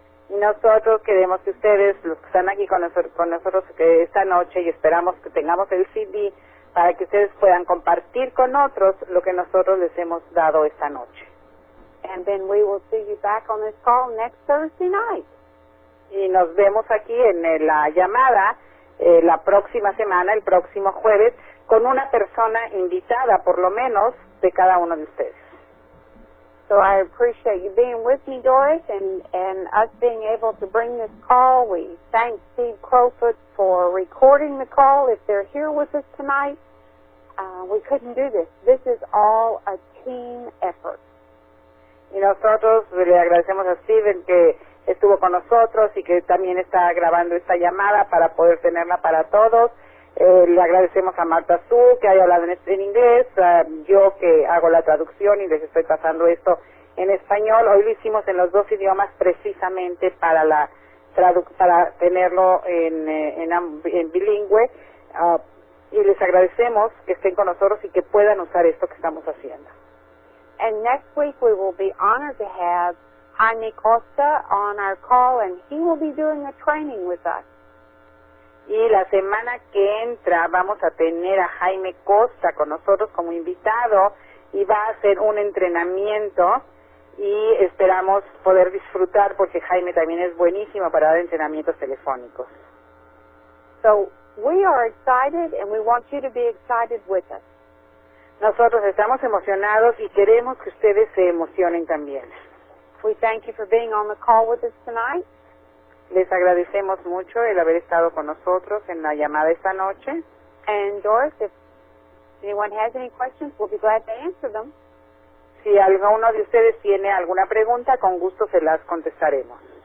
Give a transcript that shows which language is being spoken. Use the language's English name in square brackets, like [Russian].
[Spanish] Y nosotros queremos que ustedes, los que están aquí con nosotros esta noche, y esperamos que tengamos el CD para que ustedes puedan compartir con otros lo que nosotros les hemos dado esta noche. [English] And then we will see you back on this call next Thursday night. [Spanish] Y nos vemos aquí en la llamada la próxima semana, el próximo jueves, con una persona invitada, por lo menos, de cada uno de ustedes. [English] So I appreciate you being with me, Doris, and us being able to bring this call. We thank Steve Crowfoot for recording the call. If they're here with us tonight, we couldn't do this. This is all a team effort. [Spanish] Y nosotros le agradecemos a Steven que estuvo con nosotros y que también está grabando esta llamada para poder tenerla para todos. Le agradecemos a Marta Su que haya hablado en inglés, yo que hago la traducción y les estoy pasando esto en español. Hoy lo hicimos en los dos idiomas precisamente para la para tenerlo en bilingüe, y les agradecemos que estén con nosotros y que puedan usar esto que estamos haciendo. [English] And next week we will be honored to have Jaime Costa on our call, and he will be doing a training with us. [Spanish] Y la semana que entra vamos a tener a Jaime Costa con nosotros como invitado y va a hacer un entrenamiento y esperamos poder disfrutar porque Jaime también es buenísimo para dar entrenamientos telefónicos. [English] So We are excited and we want you to be excited with us. [Spanish] Nosotros estamos emocionados y queremos que ustedes se emocionen también. [English] We thank you for being on the call with us tonight. [Spanish] Les agradecemos mucho el haber estado con nosotros en la llamada esta noche. [English] And Doris, if anyone has any questions, we'll be glad to answer them. [Spanish] Si alguno de ustedes tiene alguna pregunta, con gusto se las contestaremos.